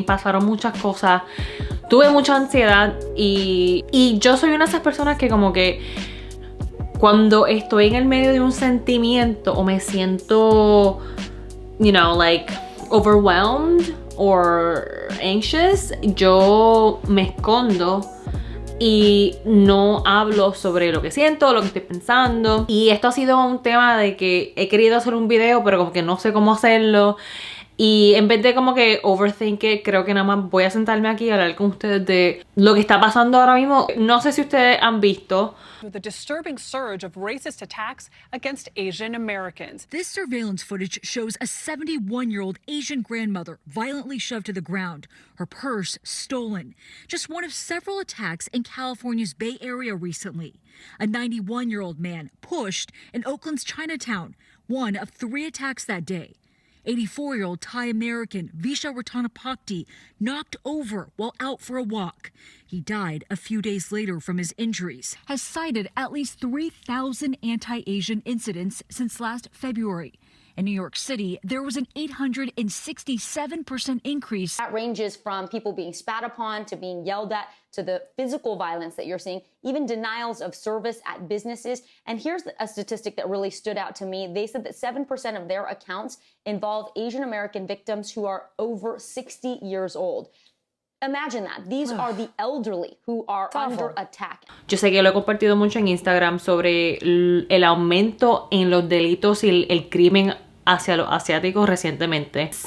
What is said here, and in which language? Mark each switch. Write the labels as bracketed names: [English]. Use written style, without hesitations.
[Spanish] Pasaron muchas cosas. Tuve mucha ansiedad. Y yo soy una de esas personas que como que cuando estoy en el medio de un sentimiento o me siento, [English] you know, like overwhelmed or anxious, [Spanish] yo me escondo y no hablo sobre lo que siento, lo que estoy pensando. Y esto ha sido un tema de que he querido hacer un video, pero como que no sé cómo hacerlo. Y en vez de como que [English] overthink it, [Spanish] creo que nada más voy a sentarme aquí y hablar con ustedes de lo que está pasando ahora mismo. No sé si ustedes han visto. [English] The disturbing surge of racist attacks against Asian Americans. This surveillance footage shows a 71-year-old Asian grandmother violently shoved to the ground, her purse stolen. Just one of several attacks in California's Bay Area recently. A 91-year-old man pushed in Oakland's Chinatown, one of three attacks that day. 84-year-old Thai American Visha Ratanapakti knocked over while out for a walk. He died a few days later from his injuries. Has cited at least 3,000 anti-Asian incidents since last February. In New York City, there was an 867% increase. That ranges from people being spat upon to being yelled at to the physical violence that you're seeing, even denials of service at businesses. And here's a statistic that really stood out to me. They said that 7% of their accounts involve Asian American victims who are over 60 years old. Imagine that. These are the elderly who are under attack. [Spanish] Yo sé que lo he compartido mucho en Instagram sobre el aumento en los delitos y el crimen hacia los asiáticos recientemente.